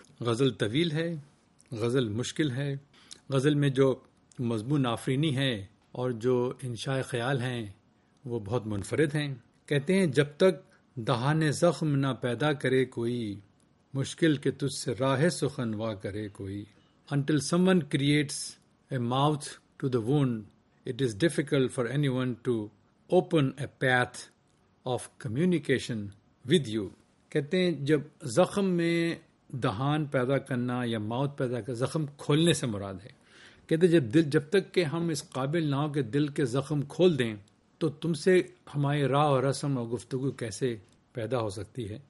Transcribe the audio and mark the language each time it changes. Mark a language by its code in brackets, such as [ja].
[ur] غزل طویل ہے, غزل مشکل ہے, غزل میں جو مضمون آفرینی ہے اور جو انشاء خیال ہیں وہ بہت منفرد ہیں. کہتے ہیں جب تک دہانے زخم نہ پیدا کرے کوئی, مشکل کہ تجھ سے راہ سخن وا کرے کوئی. [en] Until someone creates a mouth to the wound, it is difficult for anyone to open a path of communication with you. [ur] کہتے ہیں جب زخم میں دہان پیدا کرنا یا ماؤتھ پیدا کرنا, زخم کھولنے سے مراد ہے. کہتے ہیں جب تک کہ ہم اس قابل نہ ہو کہ دل کے زخم کھول دیں, تو تم سے ہماری راہ اور رسم اور گفتگو کیسے پیدا ہو سکتی ہے.